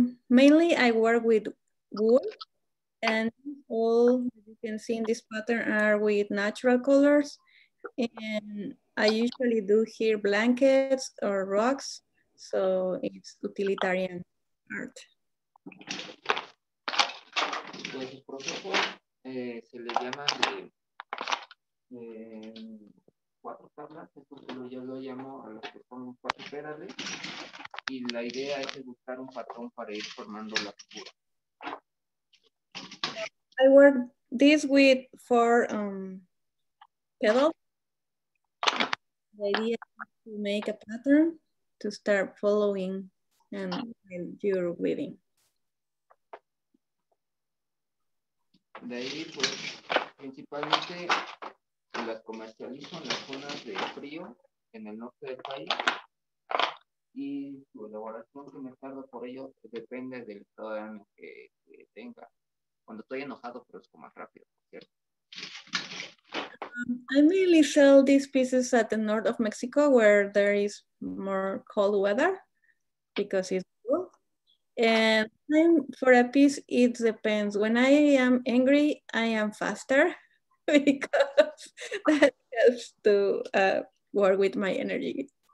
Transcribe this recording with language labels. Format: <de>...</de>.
<en>Mainly I work with wool, and all you can see in this pattern are with natural colors. And I usually do here blankets or rugs, so it's utilitarian art.</en> <es>Los procesos se les llama de cuatro tablas, entonces yo lo llamo a los que son cuatro pedales, y la idea es buscar un patrón para ir formando la figura.</es> <en>I work this with four pedals. The idea is to make a pattern to start following and in your weaving.</en> <es>De ahí, pues, principalmente las comercializo en las zonas de frío en el norte del país, y su elaboración que me tarda por ello depende del estado de ánimo que tenga. Cuando estoy enojado, pero es como más rápido, ¿cierto?</es> <en>I mainly sell these pieces at the north of Mexico where there is more cold weather because it's cool. And then for a piece, it depends. When I am angry, I am faster because that helps to work with my energy.</en>